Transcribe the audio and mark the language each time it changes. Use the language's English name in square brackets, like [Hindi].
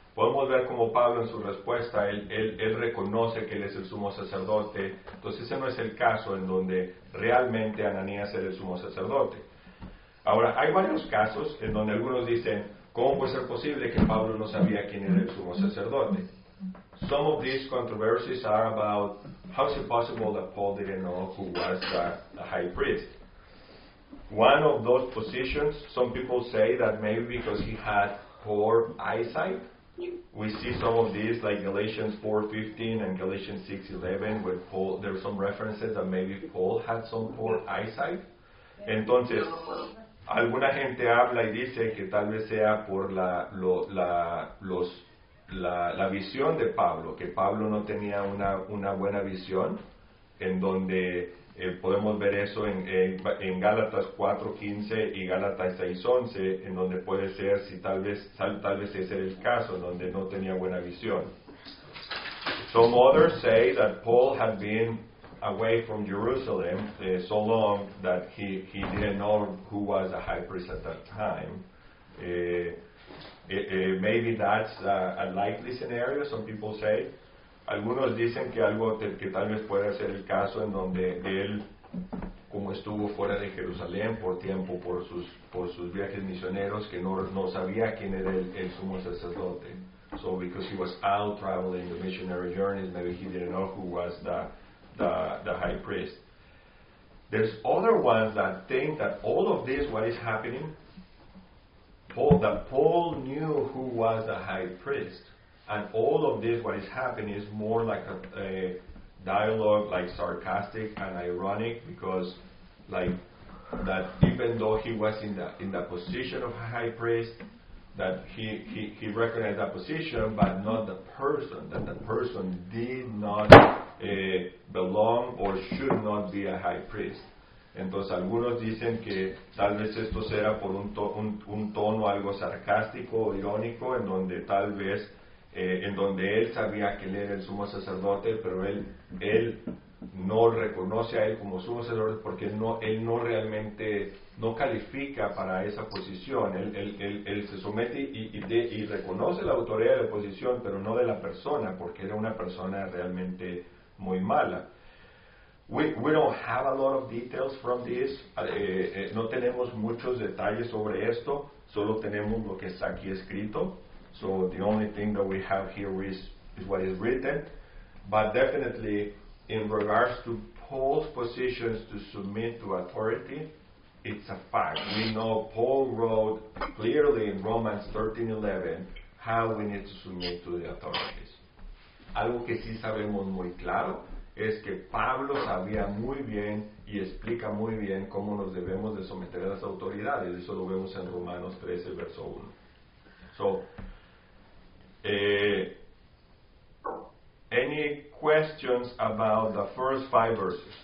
[Spanish] Podemos ver como Pablo en su respuesta, él reconoce que él es el sumo sacerdote. Entonces ese no es el caso en donde realmente Ananías era el sumo sacerdote. Ahora, hay varios casos en donde algunos dicen, ¿cómo puede ser posible que Pablo no sabía quién era el sumo sacerdote? [English] Some of these controversies are about how is it possible that Paul didn't know who was the high priest. One of those positions, some people say that maybe because he had poor eyesight. We see some of these, like Galatians 4:15 and Galatians 6:11, where Paul, there are some references that maybe Paul had some poor eyesight. [Spanish] Entonces, alguna gente habla y dice que tal vez sea por la visión de Pablo, que Pablo no tenía una buena visión, en donde podemos ver eso en Gálatas 4:15 y Gálatas 6:11, en donde puede ser, si tal vez ese era el caso, en donde no tenía buena visión. [English] Some others say that Paul had been away from Jerusalem so long that he didn't know who was the high priest at that time. Maybe that's a likely scenario, some people say. [Spanish] Algunos dicen que algo que tal vez pueda ser el caso en donde él, como estuvo fuera de Jerusalén por tiempo, por sus viajes misioneros, que no sabía quién era el sumo sacerdote. [English] So because he was out traveling the missionary journeys, maybe he didn't know who was the high priest. There's other ones that think that all of this, what is happening, Paul knew who was the high priest. And all of this, what is happening, is more like a dialogue, like sarcastic and ironic, because like that even though he was in the position of a high priest, that he recognized that position, but not the person, that the person did not belong or should not be a high priest. [Spanish] Entonces algunos dicen que tal vez esto será por un tono algo sarcástico o irónico, en donde tal vez en donde él sabía que él era el sumo sacerdote, pero él no reconoce a él como sumo sacerdote porque él no realmente no califica para esa posición. Él se somete y reconoce la autoridad de la posición, pero no de la persona, porque era una persona realmente muy mala. [English] We don't have a lot of details from this. [Spanish] No tenemos muchos detalles sobre esto. Solo tenemos lo que está aquí escrito. [English] So the only thing that we have here is what is written. But definitely, in regards to Paul's positions to submit to authority, it's a fact. We know Paul wrote clearly in Romans 13:11 how we need to submit to the authorities. [Spanish] Algo que sí sabemos muy claro es que Pablo sabía muy bien y explica muy bien cómo nos debemos de someter a las autoridades. Eso lo vemos en Romanos 13, verso 1. [English] So, any questions about the first five verses?